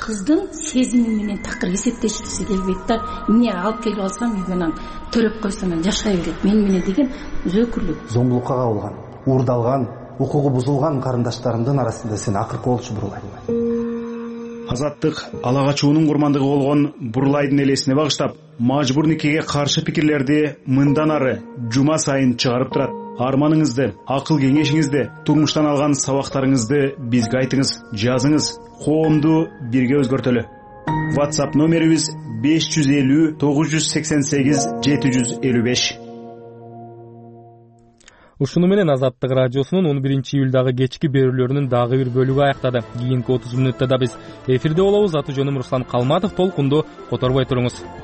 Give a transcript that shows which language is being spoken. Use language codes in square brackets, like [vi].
[ky] Кыздын сезими менен такыр эсептешкиси келбейт да. Эмне алып келип алсам, эми анан төрөп койсом анан жашай берет мени менен деген зөөкүрлүк. Зомбулукка кабылган, уурдалган, укугу бузулган карындаштарымдын арасында сен акыркы болчу Бурлайдын. Азаттык ала качуунун курмандыгы болгон Бурлайдын элесине багыштап, мажбур никеге каршы пикирлерди мындан ары жума сайын чыгарып турат. [kk] арманыңызды, ақыл кеңешіңізді, тұрмыштан алған сабақтарыңызды бізге айтыңыз, жазыңыз. Қоғамды бірге өзгертелі. WhatsApp нөмеріңіз 550-988-755. [ky] Ушуну менен Азаттык радиосунун 11-июлдагы кечки берүүлөрүнүн дагы бир бөлүгү аяктады. Кийинки 30 мүнөттө да биз эфирде болобуз. Аты жөнүм Руслан Калматов, толкунду которбой туруңуз.